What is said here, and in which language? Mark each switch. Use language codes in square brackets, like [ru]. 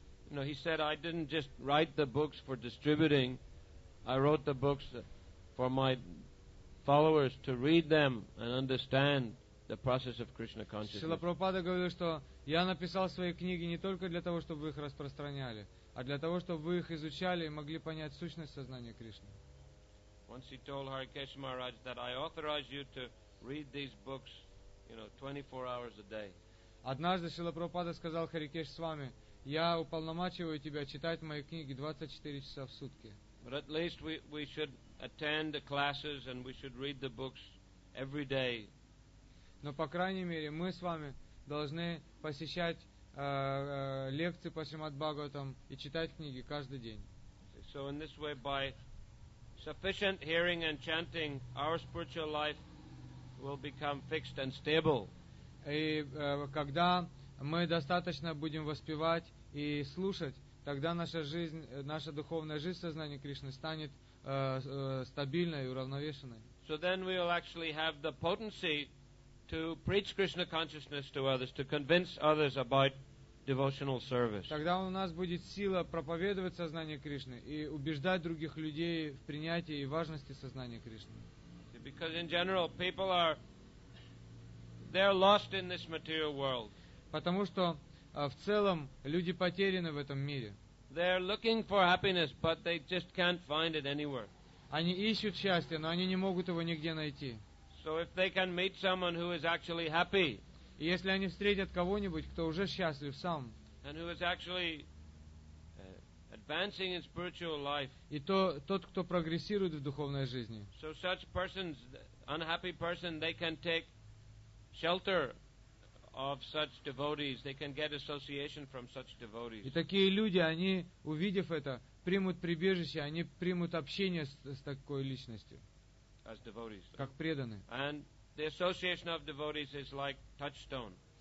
[en] No, he said, I didn't just write the books for distributing. I wrote the books for my followers to read them and understand the process of Krishna consciousness. [ru] Шрила Прабхупада говорил, что я написал свои книги не только для того, чтобы вы их распространяли, а для того, чтобы вы их изучали и могли понять сущность сознания Кришны. [en] Once he told Hare Keshav Maharaj that I authorize you to read these books, you know, 24 hours a day. [ru] Однажды Шрила Прабхупада сказал Хари Кеш с вами, я уполномачиваю тебя читать мои книги 24 часа в сутки. [en] But at least we should attend the classes and we should read the books every day. [ru] Но по крайней мере мы с вами должны посещать лекции по Шримад Бхагаватам и читать книги каждый день. [en] So in this way, by sufficient hearing and chanting, our spiritual life will become fixed and stable. [ru] И когда мы достаточно будем воспевать и слушать, тогда наша жизнь, наша духовная жизнь в сознании Кришны станет стабильной и уравновешенной. [en] So then we will actually have the potency to preach Krishna consciousness to others, to convince others about devotional service. [ru] Тогда у нас будет сила проповедовать сознание Кришны и убеждать других людей в принятии и важности сознания Кришны. [en] Because in general people are they're lost in this material world. [ru] Потому что в целом люди потеряны в этом мире. [en] They're looking for happiness, but they just can't find it anywhere. [ru] Они ищут счастье, но они не могут его нигде найти. [en] So if they can meet someone who is actually happy, [ru] если они встретят кого-нибудь, кто уже счастлив сам, [en] and who is actually advancing in spiritual life, [ru] и тот, кто прогрессирует в духовной жизни, [en] so such persons, unhappy person, they can take shelter of such devotees, they can get association from such devotees. [ru] И такие люди, они, увидев это, примут прибежище, они примут общение с такой личностью. [en] As devotees. [ru] Как преданные. [en] And the association of devotees is like touchstone.